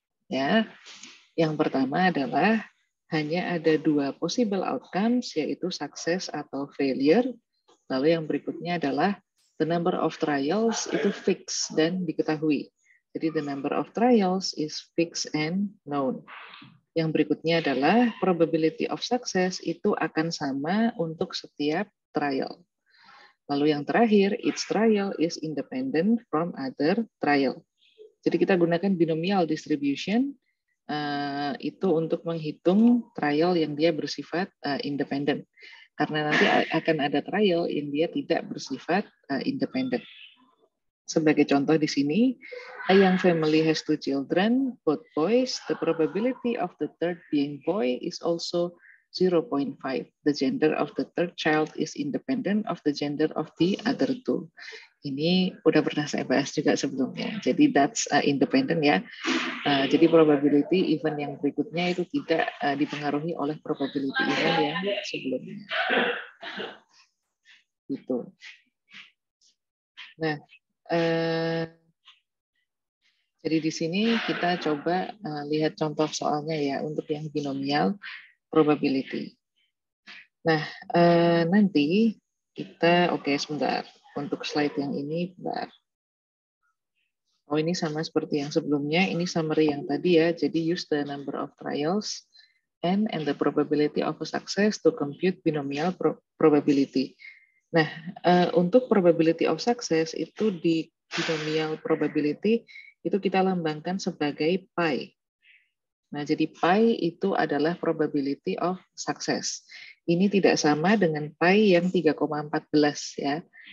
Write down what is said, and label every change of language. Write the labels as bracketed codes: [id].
[id] Ya, yang pertama adalah hanya ada dua possible outcomes, yaitu success atau failure. Lalu yang berikutnya adalah [en] the number of trials [id] itu fix dan diketahui. Jadi [en] the number of trials is fixed and known. [id] Yang berikutnya adalah probability of success itu akan sama untuk setiap trial. Lalu yang terakhir, [en] each trial is independent from other trial. [id] Jadi kita gunakan binomial distribution itu untuk menghitung trial yang dia bersifat independent. Karena nanti akan ada trial yang dia tidak bersifat independent. Sebagai contoh di sini, [en] a young family has two children, both boys. The probability of the third being boy is also 0.5. The gender of the third child is independent of the gender of the other two. [id] Ini udah pernah saya bahas juga sebelumnya. Jadi [en] that's independent, [id] ya. Jadi probability event yang berikutnya itu tidak dipengaruhi oleh probability event yang sebelumnya. Gitu. Nah, jadi di sini kita coba lihat contoh soalnya, ya, untuk yang binomial probability. Nah, nanti kita sebentar. Untuk slide yang ini, bentar. Oh, ini sama seperti yang sebelumnya. Ini summary yang tadi, ya. Jadi [en] use the number of trials and the probability of a success to compute binomial probability. [id] Nah, untuk probability of success itu di binomial probability itu kita lambangkan sebagai pi. Nah, jadi pi itu adalah probability of success. Ini tidak sama dengan pi yang 3,14, ya.